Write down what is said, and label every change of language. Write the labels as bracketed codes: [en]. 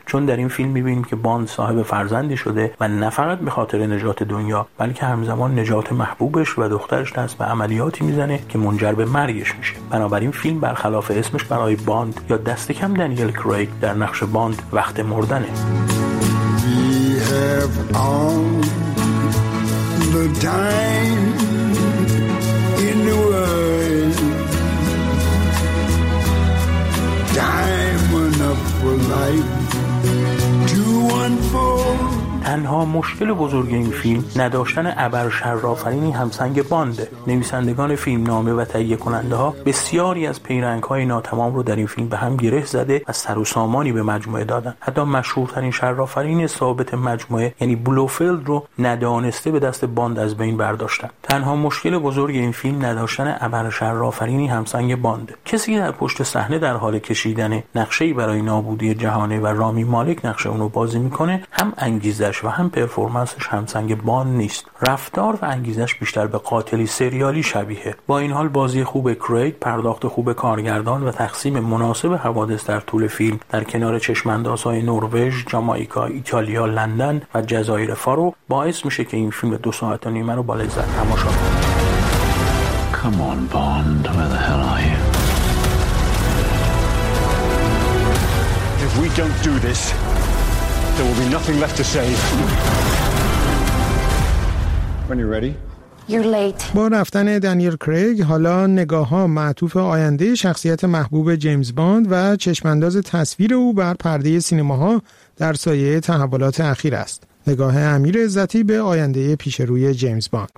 [fa] چون در این فیلم می‌بینیم که باند صاحب فرزندی شده و نه فقط به خاطر نجات دنیا، بلکه همزمان نجات محبوبش و دخترش دست به عملیاتی می‌زنه که منجر به مرگش میشه. بنابراین فیلم برخلاف اسمش برای باند یا دست کم دانیل کریگ در نقش باند وقت مردنه. [en] Have all the time in the world, time enough for life to unfold. [fa] تنها مشکل بزرگ این فیلم نداشتن ابر شرافرینی همسنگ بانده. نویسندگان فیلم نامه و تهیه کننده ها بسیاری از پیرنگ های ناتمام رو در این فیلم به هم گره زده و سر و سامانی به مجموعه دادن. حتی مشهورترین شرافرین ثابت مجموعه یعنی بلوفیلد رو ندانسته به دست باند از بین برداشتن. تنها مشکل بزرگ این فیلم نداشتن ابر شرافرینی همسنگ بانده. کسی که در پشت صحنه در حال کشیدن نقشه برای نابودی جهانی و رامی مالک نقشه اون رو بازی میکنه، هم انگیزش و هم پرفورمنسش همسنگ باند نیست. رفتار و انگیزش بیشتر به قاتلی سریالی شبیهه. با این حال بازی خوب کریگ، پرداخت خوب کارگردان و تقسیم مناسب حوادث در طول فیلم در کنار چشم‌اندازهای نروژ، جامائیکا، ایتالیا، لندن و جزایر فارو باعث میشه که این فیلم 2 ساعت و نیم رو با لذت تماشا کنید. [en] Come on Bond, where the hell are you? If we don't do this, there will be nothing left to say. When you're ready. You're late. [fa] با رفتن دانیل کریگ حالا نگاه‌ها معطوف آینده شخصیت محبوب جیمز باند و چشم‌انداز تصویر او بر پرده سینماها در سایه تحولات اخیر است. نگاه امیر عزتی به آینده پیش روی جیمز باند.